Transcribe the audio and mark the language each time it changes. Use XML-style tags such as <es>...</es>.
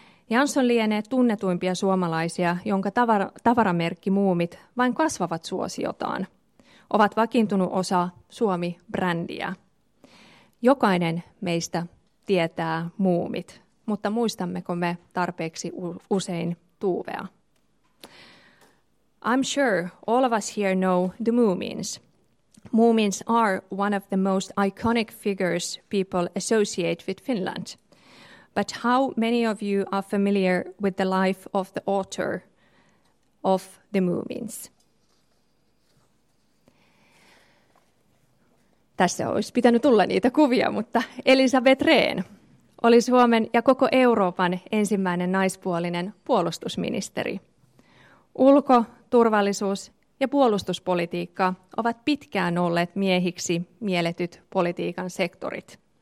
<fi>Jansson lienee tunnetuimpia suomalaisia, jonka tavaramerkki Muumit vain kasvavat suosiotaan. Ovat vakiintunut osa Suomi-brändiä. Jokainen meistä tietää Muumit, mutta muistammeko me tarpeeksi usein Tovea?</fi> <en>I'm sure all of us here know the Moomins. Moomins are one of the most iconic figures people associate with Finland. But how many of you are familiar with the life of the author of the Moomins?</en> <fi>Tässä olisi pitänyt tulla niitä kuvia, mutta Elisabeth Rehn oli Suomen ja koko Euroopan ensimmäinen naispuolinen puolustusministeri. Ulko, turvallisuus ja puolustuspolitiikka ovat pitkään olleet miehiksi mielletyt politiikan sektorit.</fi>